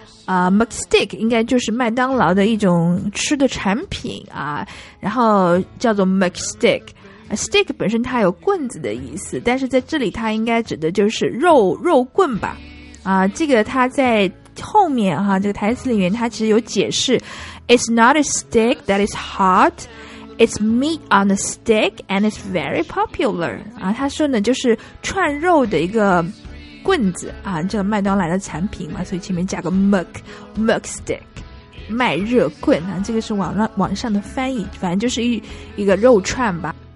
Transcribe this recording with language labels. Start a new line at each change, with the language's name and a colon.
Chinese: McStick 应该就是麦当劳的一种吃的产品啊，然后叫做 McStick. Stick 本身它有棍子的意思，但是在这里它应该指的就是肉棍吧。这个它在后面哈、啊、这个台词里面它其实有解释。
English: It's not a stick that is hot, it's meat on a stick and it's very popular.
Chinese: 啊，他说呢就是串肉的一个棍子啊，这个麦当劳的产品嘛，所以前面加个 muck stick, 麦热棍啊，这个是网上的翻译，反正就是一个肉串吧。